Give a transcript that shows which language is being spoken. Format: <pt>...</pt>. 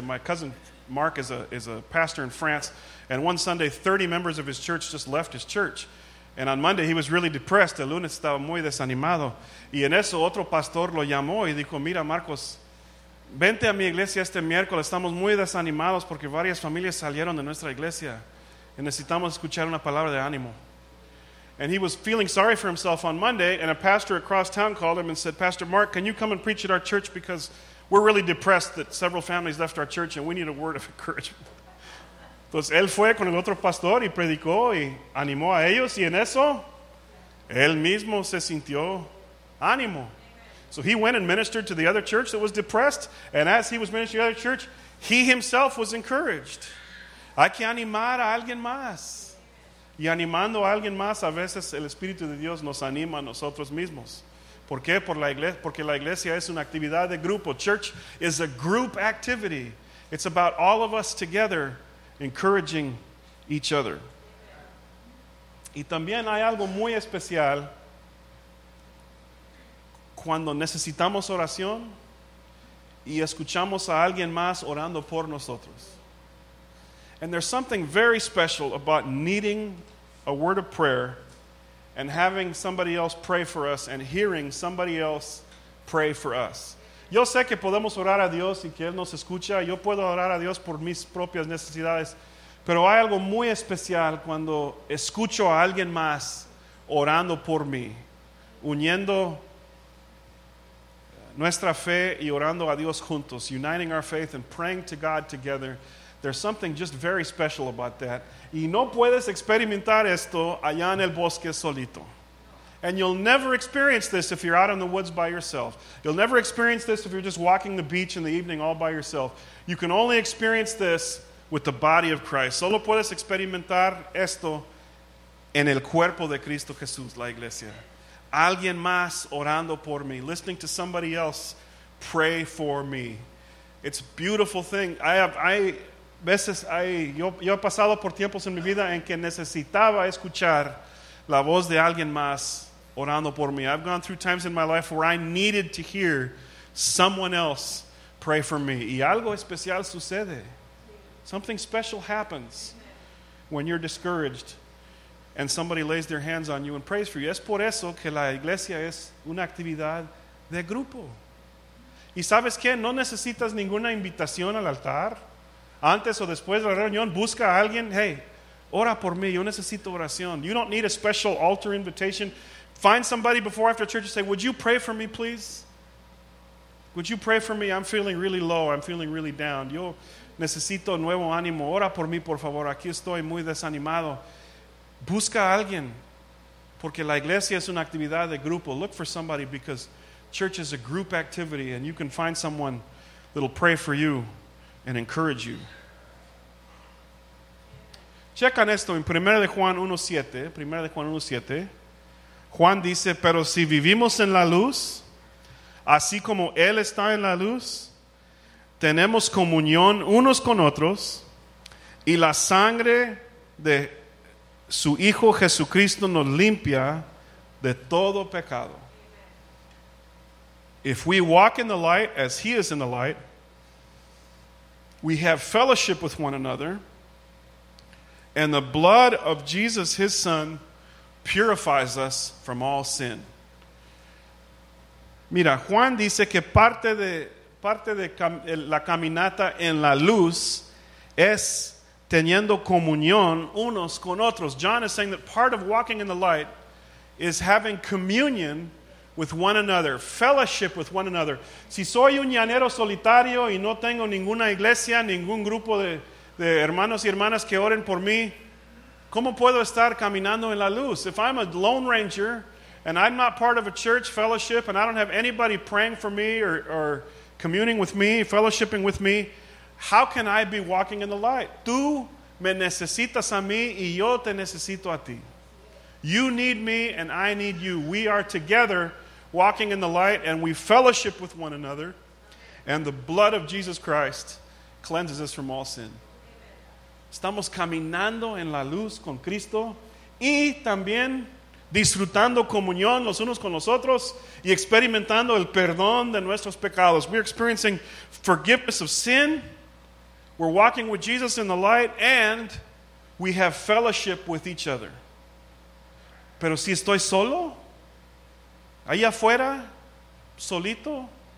<en>My cousin Mark is a pastor in France. And one Sunday, 30 members of his church just left his church. And on Monday, he was really depressed.</en> <es>El lunes estaba muy desanimado. Y en eso, otro pastor lo llamó y dijo, mira, Marcos, vente a mi iglesia este miércoles. Estamos muy desanimados porque varias familias salieron de nuestra iglesia. Y necesitamos escuchar una palabra de ánimo.</es> <en>And he was feeling sorry for himself on Monday, and a pastor across town called him and said, Pastor Mark, can you come and preach at our church? Because we're really depressed that several families left our church and we need a word of encouragement.</en> <es>Entonces, él fue con el otro pastor y predicó y animó a ellos. Y en eso, él mismo se sintió ánimo.</es> <en>So he went and ministered to the other church that was depressed. And as he was ministering to the other church, he himself was encouraged.</en> <es>Hay que animar a alguien más. Y animando a alguien más, a veces el Espíritu de Dios nos anima a nosotros mismos. ¿Por qué? Porque la iglesia es una actividad de grupo.</es> <en>Church is a group activity. It's about all of us together encouraging each other.</en> <es>Y también hay algo muy especial cuando necesitamos oración y escuchamos a alguien más orando por nosotros.</es> <en>And there's something very special about needing a word of prayer and having somebody else pray for us and hearing somebody else pray for us.</en> <es>Yo sé que podemos orar a Dios y que Él nos escucha. Yo puedo orar a Dios por mis propias necesidades. Pero hay algo muy especial cuando escucho a alguien más orando por mí, uniendo nuestra fe y orando a Dios juntos,</es> <en>uniting our faith and praying to God together. There's something just very special about that.</en> <es>Y no puedes experimentar esto allá en el bosque solito.</es> <en>And you'll never experience this if you're out in the woods by yourself. You'll never experience this if you're just walking the beach in the evening all by yourself. You can only experience this with the body of Christ.</en> <es>Solo puedes experimentar esto en el cuerpo de Cristo Jesús, la iglesia. Alguien más orando por mí.</es> <en>Listening to somebody else pray for me. It's a beautiful thing.</en> <es>Yo he pasado por tiempos en mi vida en que necesitaba escuchar la voz de alguien más orando por mí.</es> <en>I've gone through times in my life where I needed to hear someone else pray for me.</en> <es>Y algo especial sucede.</es> <en>Something special happens when you're discouraged and somebody lays their hands on you and prays for you.</en> <es>Es por eso que la iglesia es una actividad de grupo. Y sabes qué, no necesitas ninguna invitación al altar. Antes o después de la reunión, busca a alguien. Hey, Ora por mí, yo necesito oración.</es> <en>You don't need a special altar invitation. Find somebody before or after church and say, would you pray for me, please? Would you pray for me? I'm feeling really low. I'm feeling really down.</en> <es>Yo necesito nuevo ánimo. Ora por mí, por favor. Aquí estoy muy desanimado. Busca a alguien. Porque la iglesia es una actividad de grupo.</es> <en>Look for somebody because church is a group activity and you can find someone that'll pray for you and encourage you.</en> <es>Checan esto en 1 Juan 1:7. Juan dice, pero si vivimos en la luz, así como Él está en la luz, tenemos comunión unos con otros, y la sangre de su Hijo Jesucristo nos limpia de todo pecado.</es> <en>If we walk in the light as He is in the light, we have fellowship with one another, and the blood of Jesus, His Son, purifies us from all sin.</en> <es>Mira, Juan dice que parte de la caminata en la luz es teniendo comunión unos con otros.</es> <en>John is saying that part of walking in the light is having communion with one another, fellowship with one another.</en> <es>Si soy un llanero solitario y no tengo ninguna iglesia, ningún grupo de hermanos y hermanas que oren por mí, ¿cómo puedo estar caminando en la luz?</es> <en>If I'm a lone ranger and I'm not part of a church fellowship and I don't have anybody praying for me or communing with me, fellowshipping with me, how can I be walking in the light?</en> <es>Tú me necesitas a mí y yo te necesito a ti.</es> <en>You need me and I need you. We are together walking in the light and we fellowship with one another. And the blood of Jesus Christ cleanses us from all sin.</en> <es>Estamos caminando en la luz con Cristo y también disfrutando comunión los unos con los otros y experimentando el perdón de nuestros pecados.</es> <en>We're experiencing forgiveness of sin. We're walking with Jesus in the light and we have fellowship with each other.</en> <es>Pero si estoy solo, ahí afuera, solito.</es>